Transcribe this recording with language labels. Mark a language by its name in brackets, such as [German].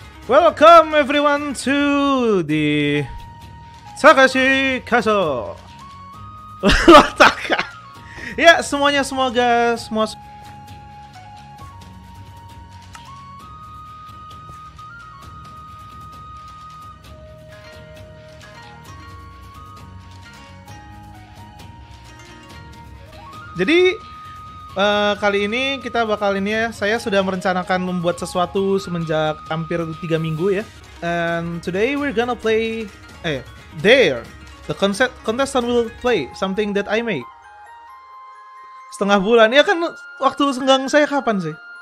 [English] Welcome everyone to the Takashi Castle. Taka. [Indonesian] Ya, semuanya semoga semua jadi kali ini kita bakal ini ya, saya sudah merencanakan membuat sesuatu semenjak hampir 3 minggu ya. [English] And today we're gonna play, there, the contestant will play something that I make. [Indonesian] Setengah bulan, ya kan waktu senggang saya kapan sih?